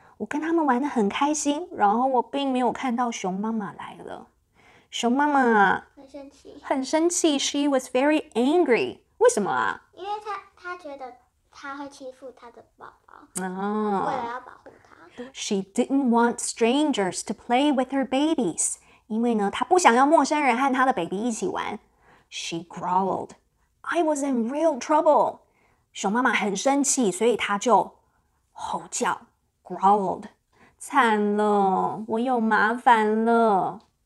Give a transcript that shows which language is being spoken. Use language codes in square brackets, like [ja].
[zh] 我跟他们玩得很开心，然后我并没有看到熊妈妈来了。熊妈妈很生气。很生气。 [en] She was very angry. [zh] 为什么啊？因为他觉得他会欺负他的宝宝，为了要保护他。 [en] She didn't want strangers to play with her babies. [zh] 因为呢，她不想要陌生人和她的 baby 一起玩。 [en] She growled, "I was in real trouble." [zh] 熊妈妈很生气，所以她就吼叫 ，growled, 惨了，我有麻烦了。